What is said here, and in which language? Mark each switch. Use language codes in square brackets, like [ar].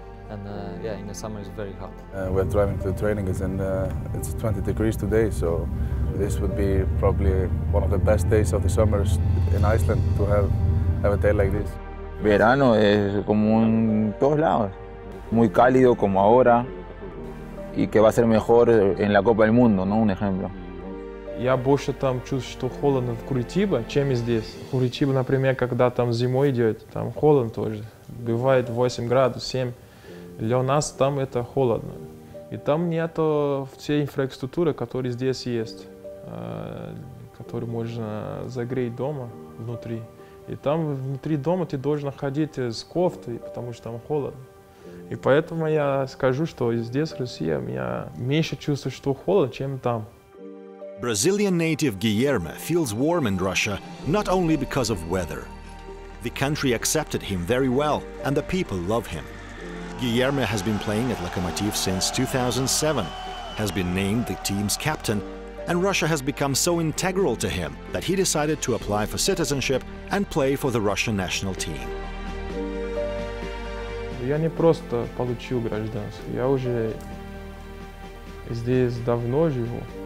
[en] And yeah, in the summer it's very hot. We're driving to the training and it's 20 degrees today, so this would be probably one of the best days of the summer in Iceland to have a day like this. [es] Verano es como en todos lados, muy cálido como ahora y que va a ser mejor en la Copa del Mundo, ¿no? Un ejemplo. [ru] Я больше там чувствую холодно в Куритиба, чем здесь. Куритиба, например, когда там зимой идет, там холодно тоже. Бывает 8 градусов, 7. Для нас там это холодно. И там нет всей инфраструктуры, которая здесь есть, которую можно загреть дома внутри. И там внутри дома ты должен ходить с кофтой, потому что там холодно. И поэтому я скажу, что здесь, в России, я меньше чувствую, что холодно, чем там. [en] Brazilian native Guilherme feels warm in Russia, not only because of weather. The country accepted him very well, and the people love him. Guilherme has been playing at Lokomotiv since 2007, has been named the team's captain, and Russia has become so integral to him that he decided to apply for citizenship and play for the Russian national team. [ru] Я не просто получил гражданство, я уже здесь давно живу.